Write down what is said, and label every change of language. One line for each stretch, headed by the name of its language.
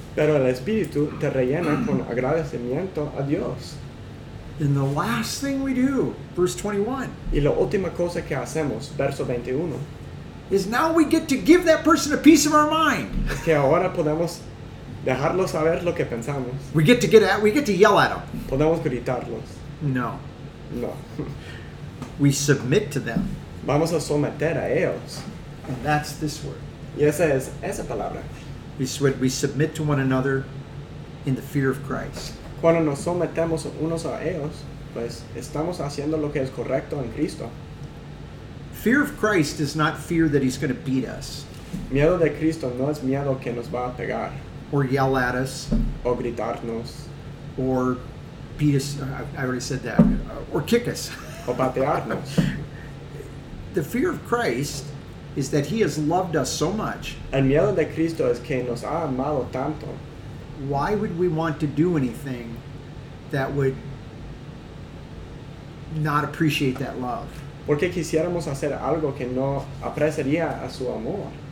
Spanish: Pero el Espíritu te rellena con agradecimiento a Dios.
English: And the last thing we do, verse 21.
Spanish: Y la última cosa que hacemos, verso 21.
English: Is now we get to give that person a piece of our mind.
Spanish: Que ahora podemos dejarlos saber lo que pensamos.
English: We get to yell at them.
Spanish: Podemos gritarlos.
English: No.
Spanish: No.
English: We submit to them.
Spanish: Vamos a someter a ellos.
English: And that's this word.
Spanish: Y esa es esa palabra.
English: We submit to one another in the fear of Christ.
Spanish: Cuando nos sometemos unos a ellos, pues estamos haciendo lo que es correcto en Cristo.
English: Fear of Christ is not fear that he's going to beat us.
Spanish: Miedo de Cristo no es miedo que nos va a pegar.
English: Or yell at us.
Spanish: O gritarnos.
English: Or beat us. I already said that. Or kick us.
Spanish: O patearnos.
English: The fear of Christ is that he has loved us so much.
Spanish: El miedo de Cristo es que nos ha amado tanto.
English: Why would we want to do anything that would not appreciate that love.
Spanish: Porque quisiéramos hacer algo que no apreciaría a su amor.